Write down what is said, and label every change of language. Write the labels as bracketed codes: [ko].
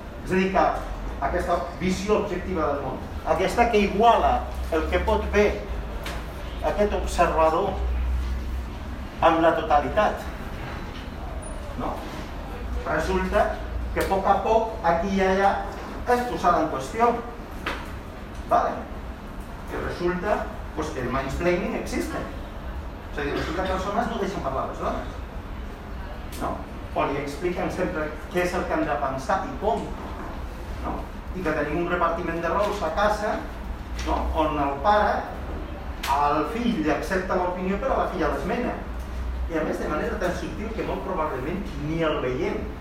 [ca] És a dir, que aquesta visió objectiva del món, aquesta que iguala el que pot fer aquest observador amb la totalitat, no? Resulta que a poc a poc, aquí i allà, és posada en qüestió. Vale? [es] Que resulta, pues, que el mansplaining existe. [ca] O sigui, resulta que les homes no deixen parlar les dones. No? O li expliquen sempre què és el que han de pensar i com. No? I que tenim un repartiment de rols a casa, no? On el pare al fill li accepta l'opinió, però la filla l'esmena. I a més, de manera tan subtil que molt probablement ni el veiem.